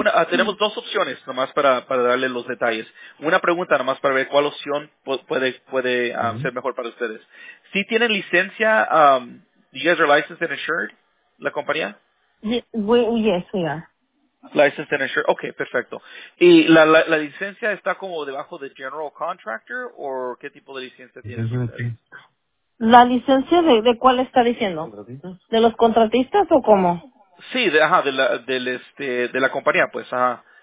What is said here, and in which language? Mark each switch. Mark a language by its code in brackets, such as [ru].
[es] Tenemos dos opciones nomás para darle los detalles. Una pregunta nomás para ver cuál opción puede ser mejor para ustedes. ¿Sí tienen licencia? [en] You guys are licensed and insured, [es] la compañía? [en] Yes, we are. Licensed and insured. Okay, perfecto. [es] ¿Y la licencia está como debajo de general contractor o qué tipo de licencia tienen ustedes? ¿La licencia de cuál está diciendo? ¿De los contratistas o cómo? Sí, de la compañía, pues, ajá.